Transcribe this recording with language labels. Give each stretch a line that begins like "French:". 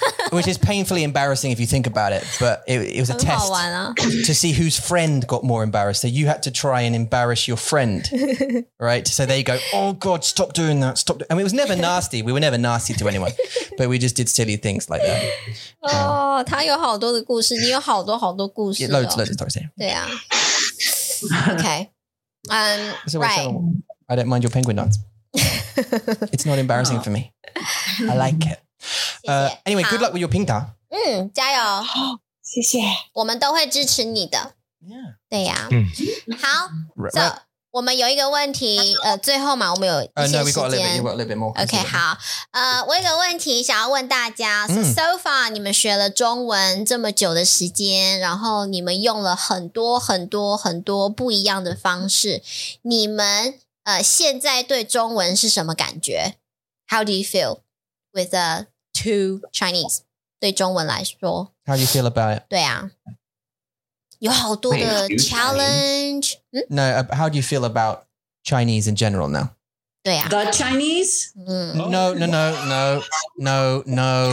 English: Which is painfully embarrassing if you think about it, but it was a test to see whose friend got more embarrassed. So you had to try and embarrass your friend, right? So they go, oh God, stop doing that. Stop. And it was never nasty. We were never nasty to anyone, but we just did silly things like that. Oh,
Chinese: 他有好多的故事,你有好多好多故事。
English: Yeah, loads of stories. Yeah. Okay. So right. I don't mind your penguin dance. It's not embarrassing for me. I like it. Anyway, good luck with your ping-ta.
Chinese: 加油，谢谢。我们都会支持你的。对呀。好，我们有一个问题，最后嘛，我们有一些时间。
English: OK，
Chinese: 好。我有一个问题想要问大家。
English: So far，
Chinese: 你们学了中文这么久的时间，然后你们用了很多很多很多不一样的方式。你们现在对中文是什么感觉？
English: How do you feel with the two Chinese?
Chinese: 对中文来说,
English: how do you feel about it?
Chinese: 对啊,有好多的 challenge.
English: No, how do you feel about Chinese in general now? Yeah. The Chinese? Mm. Oh. No.